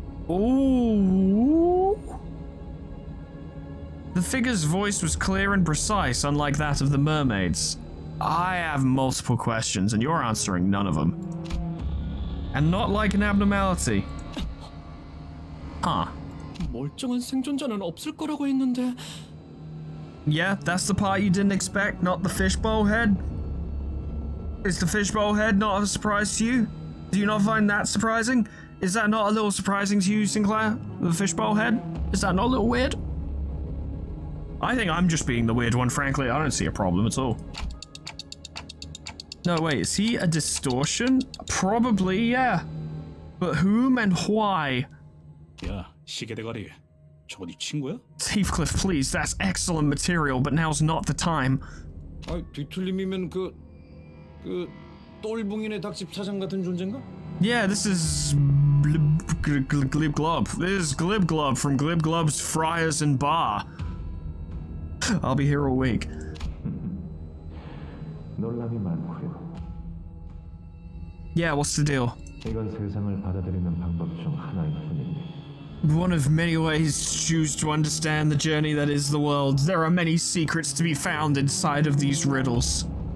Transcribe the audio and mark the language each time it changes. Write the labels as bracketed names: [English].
[English] Ooh. The figure's voice was clear and precise, unlike that of the mermaids. I have multiple questions, and you're answering none of them. And not like an abnormality. Huh. [Korean] 멀쩡한 생존자는 없을 거라고 했는데. [English] Yeah, that's the part you didn't expect, not the fishbowl head. Is the fishbowl head not a surprise to you? Do you not find that surprising? Is that not a little surprising to you, Sinclair? The fishbowl head? Is that not a little weird? I think I'm just being the weird one, frankly. I don't see a problem at all. No, wait, is he a distortion? Probably, yeah. But whom and why? Yeah, [Korean] 시계대가리. 저 어디 친구야? [English] Teethcliff, please, that's excellent material, but now's not the time. [Korean] 아, 뒤틀림이면 그 똘붕이네 닭집 차장 같은 존재인가? [English] Yeah, this is Glibglob. This is Glibglob from Glibglob's Friars and Bar. I'll be here all week. [Korean] 놀람이 많고요. [English] Yeah, what's the deal? [Korean] 이건 세상을 받아들이는 방법 중 하나일 뿐입니다. [English] One of many ways to choose to understand the journey that is the world. There are many secrets to be found inside of these riddles.